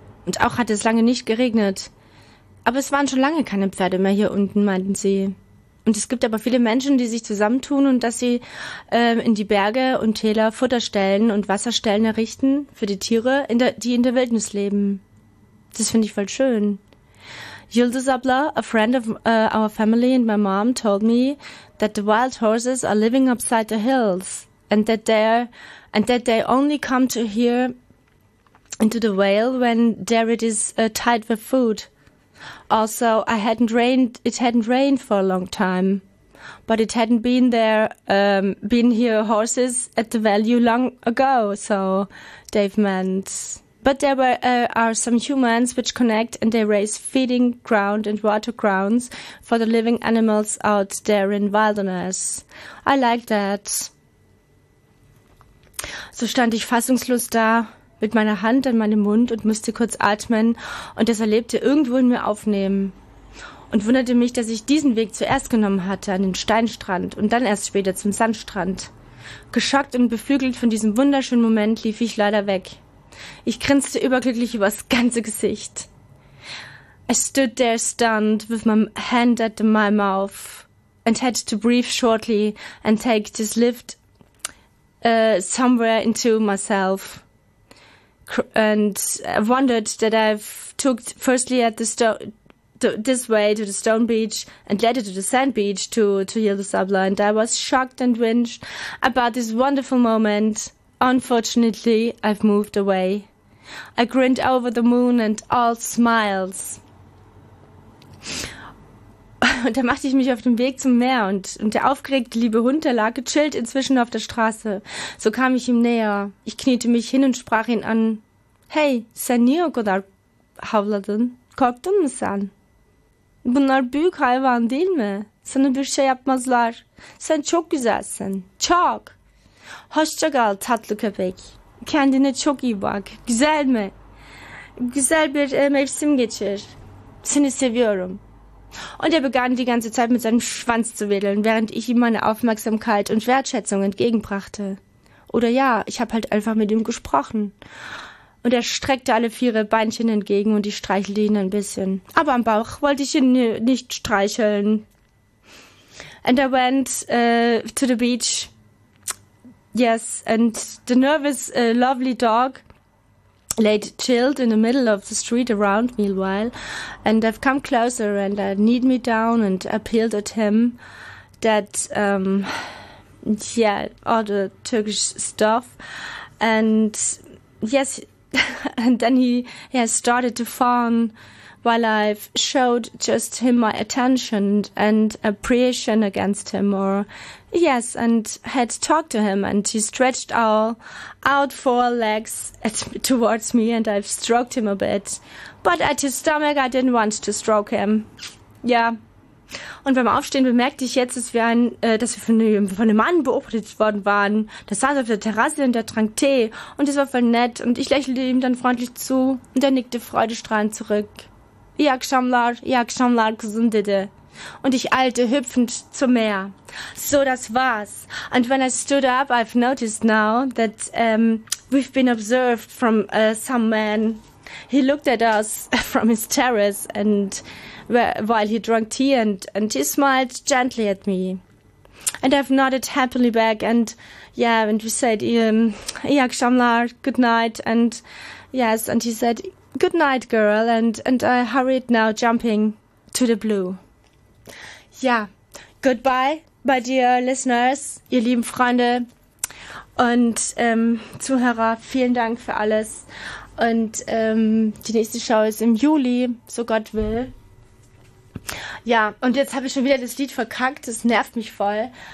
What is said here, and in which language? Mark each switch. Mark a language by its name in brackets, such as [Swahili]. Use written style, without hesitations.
[German] Und auch hatte es lange nicht geregnet. Aber es waren schon lange keine Pferde mehr hier unten, meinten sie. Und es gibt aber viele Menschen, die sich zusammentun und dass sie in die Berge und Täler Futterstellen und Wasserstellen errichten für die Tiere, die in der Wildnis leben. Das finde ich voll schön. [English] Yilda Zabla, a friend of our family and my mom, told me that the wild horses are living upside the hills and that they only come to here into the whale when there it is tied with food. Also, it hadn't rained for a long time, but it hadn't been there been here horses at the value long ago, so they've meant. But there were are some humans which connect, and they raise feeding ground and water grounds for the living animals out there in wilderness. I like that. [German] So stand ich fassungslos da mit meiner Hand an meinem Mund und musste kurz atmen und das Erlebte irgendwo in mir aufnehmen und wunderte mich, dass ich diesen Weg zuerst genommen hatte an den Steinstrand und dann erst später zum Sandstrand. Geschockt und beflügelt von diesem wunderschönen Moment lief ich leider weg. Ich grinste überglücklich übers ganze Gesicht. [English] I stood there stunned with my hand at my mouth and had to breathe shortly and take this lift somewhere into myself. And I wondered that I've took firstly at the this way to the stone beach and later to the sand beach to heal the Sabla, and I was shocked and winched about this wonderful moment. Unfortunately, I've moved away. I grinned over the moon and all smiles. [German] Und da machte ich mich auf den Weg zum Meer und der aufgeregte liebe Hund, der lag gechillt inzwischen auf der Straße. So kam ich ihm näher. Ich kniete mich hin und sprach ihn an. [Turkish] Hey, sen niye o kadar havladın? Korktun mu sen? Bunlar büyük hayvan değil mi? Sana bir şey yapmazlar. Sen çok güzelsin. Çok. Hoşça kal tatlı köpek. Kendine çok iyi bak. Güzel mi? Güzel bir mevsim geçir. Seni seviyorum. [German] Und er begann die ganze Zeit mit seinem Schwanz zu wedeln, während ich ihm meine Aufmerksamkeit und Wertschätzung entgegenbrachte. Oder ja, ich habe halt einfach mit ihm gesprochen. Und er streckte alle vier Beinchen entgegen und ich streichelte ihn ein bisschen. Aber am Bauch wollte ich ihn nicht streicheln. [English] And I went to the beach. Yes, and the nervous, lovely dog laid chilled in the middle of the street around me a while. And I've come closer and I kneed me down and appealed at him that, all the Turkish stuff. And yes, and then he has started to fawn while I've showed just him my attention and appreciation against him, or yes, and had talked to him, and he stretched all out four legs towards me, and I've stroked him a bit. But at his stomach, I didn't want to stroke him. Yeah. [German] Und beim Aufstehen bemerkte ich jetzt, dass wir von einem Mann beobachtet worden waren. Der saß auf der Terrasse und der trank Tee, und es war voll nett, und ich lächelte ihm dann freundlich zu, und er nickte freudestrahlend zurück. [Turkish] Ja, akşamlar, kızım, dedi. [German] Und ich eilte hüpfend zum Meer. So, das war's. [English] And when I stood up, I've noticed now that we've been observed from some man. He looked at us from his terrace and while he drank tea, and he smiled gently at me. And I've nodded happily back, and yeah, and we said, ja, akşamlar, good night, and yes, and he said, good night, girl, and I hurried now, jumping to the blue. [German] Ja, [English] goodbye, my dear listeners, [German] ihr lieben Freunde und Zuhörer, vielen Dank für alles. Und die nächste Show ist im Juli, so Gott will. Ja, und jetzt habe ich schon wieder das Lied verkackt, das nervt mich voll.